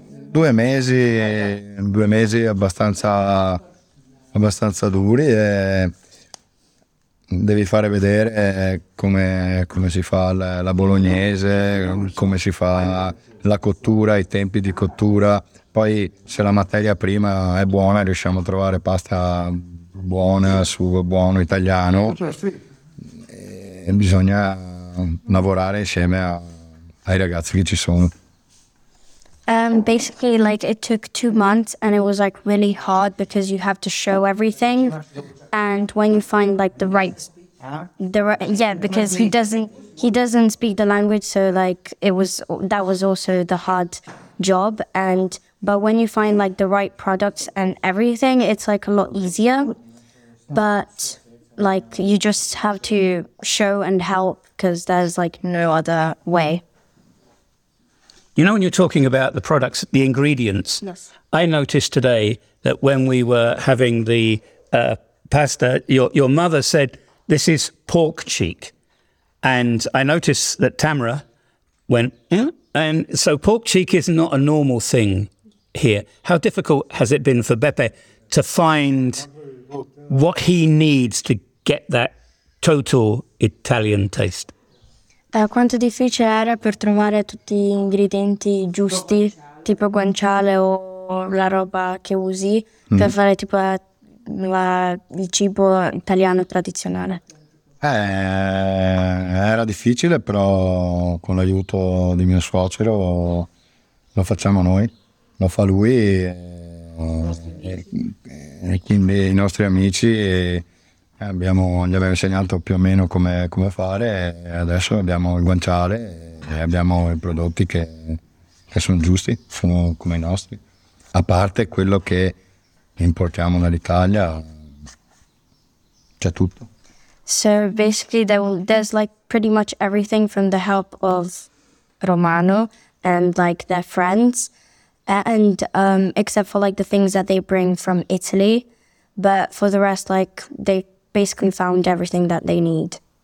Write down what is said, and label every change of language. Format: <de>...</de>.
<it>Due mesi abbastanza duri e devi fare vedere come si fa la bolognese, come si fa la cottura, i tempi di cottura. Poi se la materia prima è buona riusciamo a trovare pasta buona, sugo buono italiano. E bisogna lavorare insieme ai ragazzi che ci sono.</it> <en>Basically, like it took 2 months and it was like really hard because you have to show everything, and when you find like because he doesn't speak the language, so like that was also the hard job. And but when you find like the right products and everything, it's like a lot easier. But like you just have to show and help because there's like no other way. You know, when you're talking about the products, the ingredients. Yes. I noticed today that when we were having the pasta, your mother said, this is pork cheek. And I noticed that Tamara went, And so pork cheek is not a normal thing here. How difficult has it been for Beppe to find what he needs to get that total Italian taste?</en> <it>Quanto difficile era per trovare tutti gli ingredienti giusti, tipo guanciale o la roba che usi per fare tipo il cibo italiano tradizionale? Era difficile, però con l'aiuto di mio suocero lo facciamo noi, lo fa lui e quindi i nostri amici. Gli abbiamo insegnato più o meno come fare e adesso abbiamo il guanciale e abbiamo i prodotti che che sono giusti, sono come i nostri, a parte quello che importiamo dall'Italia, c'è tutto.</it> <en>So basically there's like pretty much everything from the help of Romano and like their friends, and except for like the things that they bring from Italy, but for the rest, like, they basically found everything that they need.</en>